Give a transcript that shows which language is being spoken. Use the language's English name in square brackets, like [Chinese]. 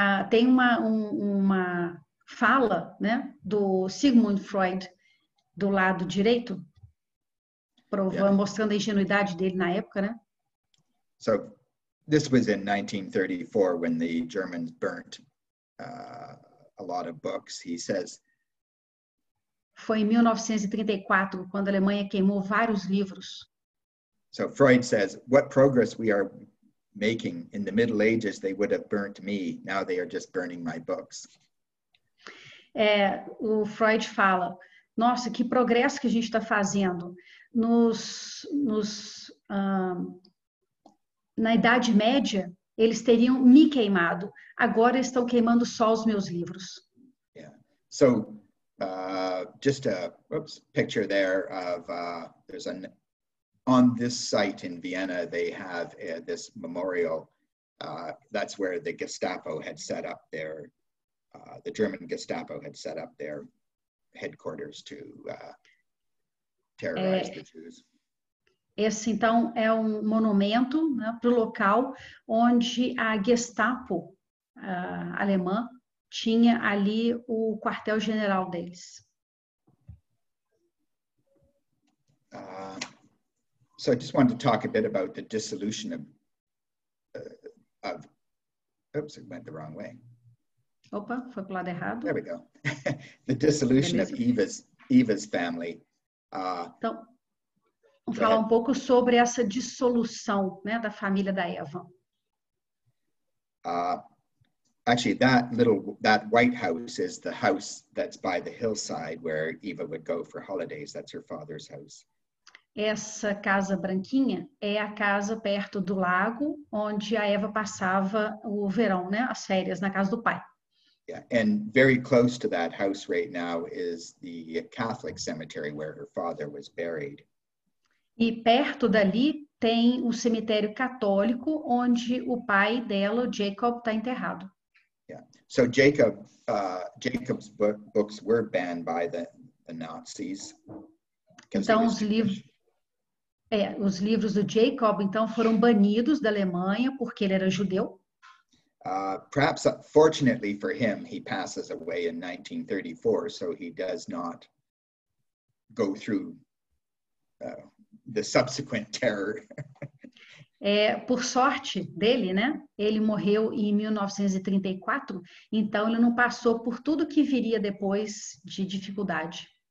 [Portuguese] Tem uma fala, né, do Sigmund Freud do lado direito, mostrando a ingenuidade dele na época, né? [English] So, this was in 1934 when the Germans burnt a lot of books. He says. [Portuguese] Foi em 1934 quando a Alemanha queimou vários livros. [English] So Freud says, "What progress we are making! In the Middle Ages, they would have burnt me. Now they are just burning my books." [Portuguese] o Freud fala, nossa, que progresso que a gente está fazendo. Na Idade Média, eles teriam me queimado. Agora estão queimando só os meus livros. [English] So, just a picture there of there's an on this site in Vienna. They have this memorial. That's where the Gestapo had set up their the German Gestapo had set up their headquarters to terrorize the Jews. [Portuguese] Esse então é um monumento, né, pro local onde a Gestapo alemã tinha ali o quartel-general deles. [English] So I just wanted to talk a bit about the dissolution of oops, it went the wrong way. [Portuguese] Opa, foi pro lado errado. [English] There we go. The dissolution of Eva's family. [Portuguese] Então, vamos falar um pouco sobre essa dissolução, né, da família da Eva. [English] Actually, that white house is the house that's by the hillside where Eva would go for holidays. That's her father's house. [Portuguese] Essa casa branquinha é a casa perto do lago onde a Eva passava o verão, né, as férias na casa do pai. [English] Yeah, and very close to that house right now is the Catholic cemetery where her father was buried. [Portuguese] E perto dali tem o cemitério católico onde o pai dela, Jacob, está enterrado. [English] So Jacob's books were banned by the Nazis. [Portuguese] Então os livros do Jacob então foram banidos da Alemanha porque ele era judeu. [English] Perhaps fortunately for him, he passes away in 1934, so he does not go through the subsequent terror. [Portuguese] Por sorte dele, né? Ele morreu em 1934, então ele não passou por tudo que viria depois de dificuldade.